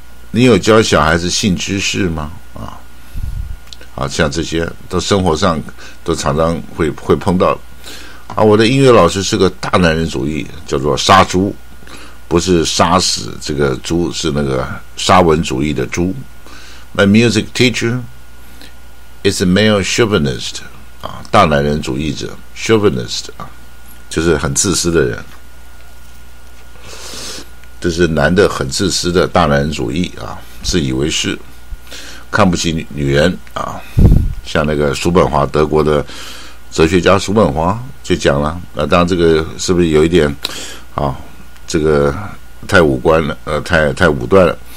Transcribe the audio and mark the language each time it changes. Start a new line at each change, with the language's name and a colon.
Chinese: 你有教小孩子性知识吗？啊，好像这些都生活上都常常会碰到。啊，我的音乐老师是个大男人主义，叫做杀猪，不是杀死这个猪，是那个沙文主义的猪。
English: My music teacher is a male chauvinist，
Chinese: 啊，大男人主义者 ，chauvinist 啊，就是很自私的人。这是男的很自私的大男人主义啊，自以为是，看不起女人啊。像那个叔本华，德国的哲学家叔本华就讲了，当然这个是不是有一点啊，这个太武断了，太武断了。